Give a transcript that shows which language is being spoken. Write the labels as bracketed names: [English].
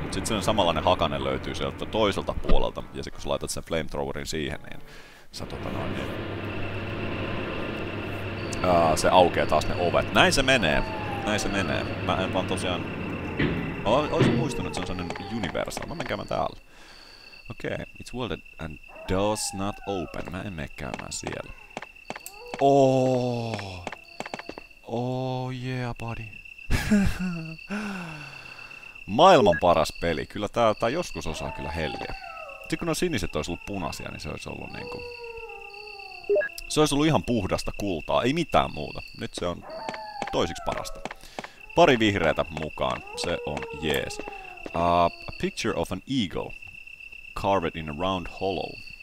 [Finnish] Mutta sitten samanlainen hakane löytyy sieltä toiselta puolelta. Ja sitten kun sä laitat sen flamethrowerin siihen, niin sä tota noin niin... se aukeaa taas ne ovet. Näin se menee. Näin se menee. Mä en vaan tosiaan... Olisin muistunut, että se on sellainen universal. Mä menen käymään täällä. Okei. Okay. [English] It's world and does not open. [Finnish] Mä en mene käymään siellä. Oh! [English] Oh yeah, buddy. [Finnish] Maailman paras peli. Kyllä tää joskus osaa kyllä helliä. Sitten kun nuo siniset olisi ollut punaisia, niin se olisi ollut niinku... Se olisi ollut ihan puhdasta kultaa. Ei mitään muuta. Nyt se on toisiksi parasta. Pari vihreätä mukaan. Se on jees. [English] A picture of an eagle carved in a round hollow.